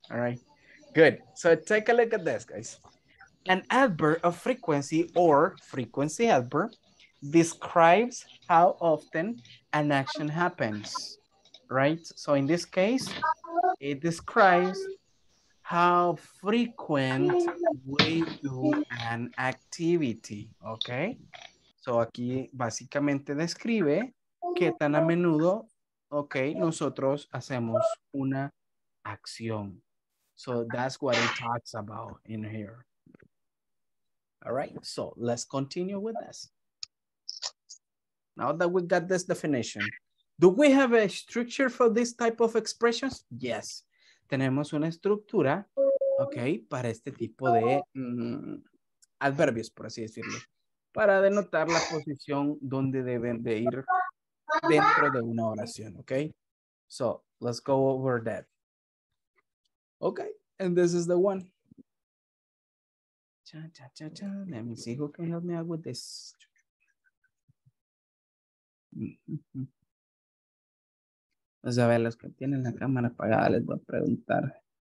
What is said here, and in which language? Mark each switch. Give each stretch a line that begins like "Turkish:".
English: All right, good. So take a look at this, guys. An adverb of frequency or frequency adverb describes how often an action happens, right? So in this case, it describes how frequent we do an activity, okay?
Spanish: So aquí básicamente describe qué tan a menudo, okay, nosotros hacemos una acción.
English: So that's what it talks about in here. All right, so let's continue with this. Now that we got this definition, do we have a structure for this type of expressions?
Spanish: Yes, tenemos una estructura, okay, para este tipo de adverbios, por así decirlo, para denotar la posición donde deben de ir dentro de una oración, okay?
English: So, let's go over that. Okay, and this is the one. Cha, cha, cha, cha. Let me see who can help me out with this.
Spanish: Vamos a ver, los que tienen la cámara apagada, les voy a preguntar.